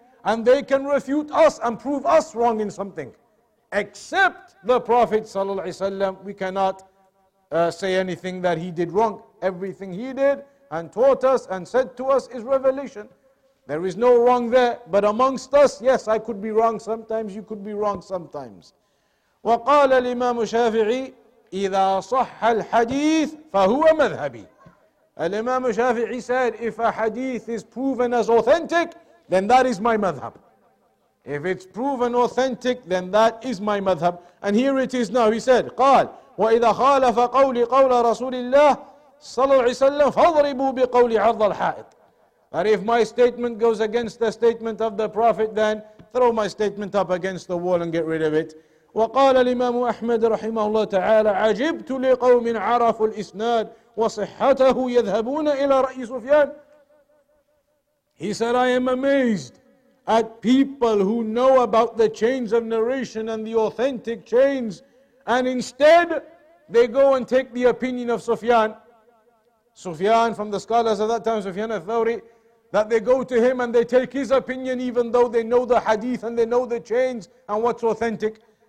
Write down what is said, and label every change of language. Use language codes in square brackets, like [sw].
[en] and they can refute us and prove us wrong in something. Except the Prophet sallallahu alaihi wasallam, we cannot say anything that he did wrong. Everything he did and taught us and said to us is revelation. There is no wrong there. But amongst us, yes, I could be wrong sometimes, you could be wrong sometimes. [ar] وقال الإمام الشافعي إذا صح الحديث فهو مذهبي. [en] الإمام الشافعي said, if a hadith is proven as authentic, then that is my madhab. If it's proven authentic, then that is my madhab. And here it is now. He said, [ar] قال وإذا خالف قولي قول رسول الله صلى الله عليه وسلم فاضربوا بقول عرض الحائط. [en] That if my statement goes against the statement of the Prophet, then throw my statement up against the wall and get rid of it. [ar] وقال الإمام أحمد رحمه الله تعالى عجبت لقوم عرفوا الإسناد وصحته يذهبون إلى رأي سفيان. [en] He said, I am amazed at people who know about the chains of narration and the authentic chains, and instead they go and take the opinion of Sufyan. Sufyan, from the scholars of that time, Sufyan al-Thawri, that they go to him and they take his opinion even though they know the hadith and they know the chains and what's authentic.